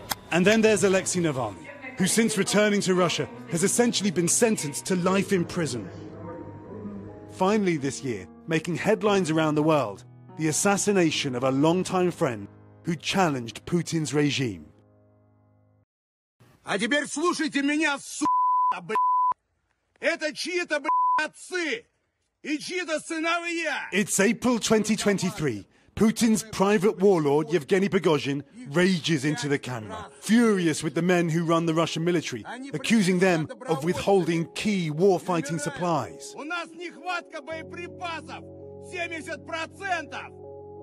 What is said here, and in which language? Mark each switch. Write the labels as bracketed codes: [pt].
[en] And then there's Alexei Navalny, who since returning to Russia has essentially been sentenced to life in prison. Finally this year, making headlines around the world, the assassination of a longtime friend who challenged Putin's regime. [ru] А теперь слушайте меня, сука, блядь. Это чьи-то, блядь, отцы и чьи-то сыновья. [en] It's April 2023. Putin's private warlord, Yevgeny Prigozhin, rages into the camera, furious with the men who run the Russian military, accusing them of withholding key war-fighting supplies. [ru] У нас нехватка боеприпасов 70%.